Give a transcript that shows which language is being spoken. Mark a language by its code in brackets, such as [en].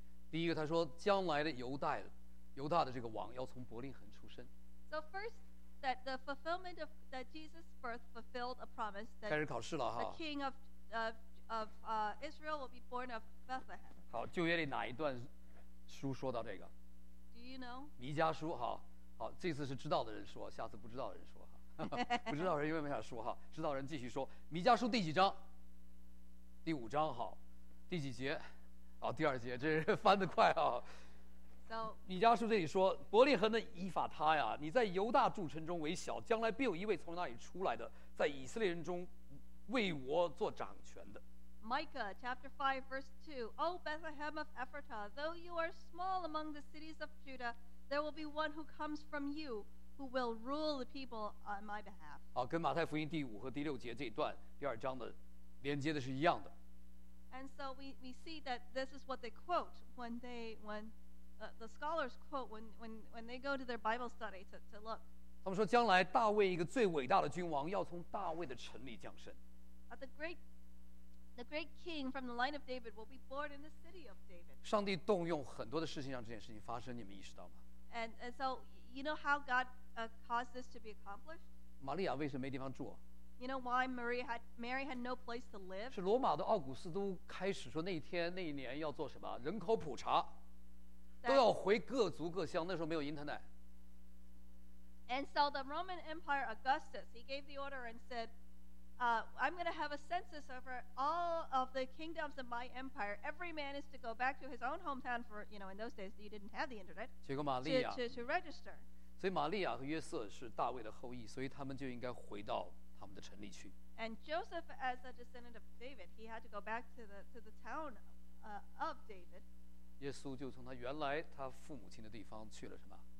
[zh] 第一个他说将来的犹大的这个王要从伯利恒出生。 [en] So first, that the fulfillment of that Jesus' birth fulfilled a promise that [zh] 开始考试了哈。 [en] The king of Israel will be born of Bethlehem. [zh] 好，旧约里哪一段书说到这个 [en] ？Do you know? [zh] 弥迦书哈，好，这次是知道的人说，下次不知道的人说哈。不知道人因为没法说哈，知道人继续说。弥迦书第几章？第五章好，第几节？哦，第二节，这是翻得快啊！米迦书这里说，伯利恒的以法他呀，你在犹大诸城中为小，将来必有一位从那里出来的，在以色列人中为我做掌权的。 [en] Micah chapter 5 verse 2 O Bethlehem of Ephratah, though you are small among the cities of Judah, there will be one who comes from you who will rule the people on my behalf. [zh] 好，跟马太福音第五和第六节这一段第二章的。连接的是一样的。 [en] And so we see that this is what they quote the scholars quote when they go to their Bible study to look. [zh] 他们说将来大卫一个最伟大的君王要从大卫的城里降生。 [en] The great The great king from the line of David will be born in the city of David. [zh] 上帝动用很多的事情让这件事情发生，你们意识到吗？ [en] And so you know how God caused this to be accomplished? [zh] 玛利亚为什么没地方住？ [en] You know why Mary had no place to live? [zh] 是罗马的奥古斯都开始说那一天那一年要做什么？人口普查。都要回各族各乡，那时候没有 internet。 [en] And so the Roman Empire Augustus, he gave the order and said, I'm going to have a census over all of the kingdoms of my empire. Every man is to go back to his own hometown for, you know, in those days you didn't have the internet. [zh] 结果玛利亚 [en] to register. [zh] 所以玛利亚和约瑟是大卫的后裔，所以他们就应该回到他们的城里去。 [en] And Joseph, as a descendant of David, he had to go back to the town of David. [zh] 耶稣就从他原来他父母亲的地方去了什么？